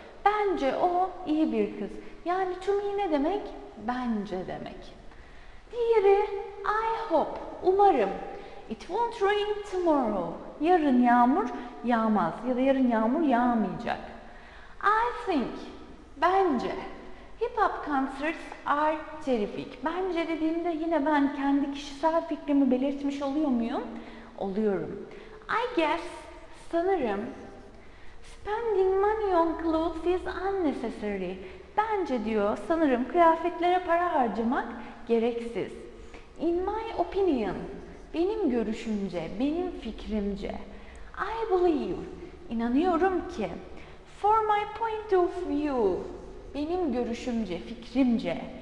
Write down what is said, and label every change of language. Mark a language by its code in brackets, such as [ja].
[tr] Bence o iyi bir kız. Yani [en] to me [tr] ne demek? Bence demek. Diğeri, [en] I hope, [tr] umarım. [en] It won't rain tomorrow. [tr] Yarın yağmur yağmaz ya da yarın yağmur yağmayacak. [en] I think, [tr] bence. [en] Hip hop concerts are terrific. [tr] Bence dediğimde yine ben kendi kişisel fikrimi belirtmiş oluyor muyum? Oluyorum. [en] I guess, [tr] sanırım. [en] Spending money on clothes is unnecessary. [tr] Bence diyor, sanırım kıyafetlere para harcamak gereksiz. [en] In my opinion, [tr] benim görüşümce, benim fikrimce. [en] I believe, [tr] inanıyorum ki. [en] For my point of view, [tr] benim görüşümce, fikrimce.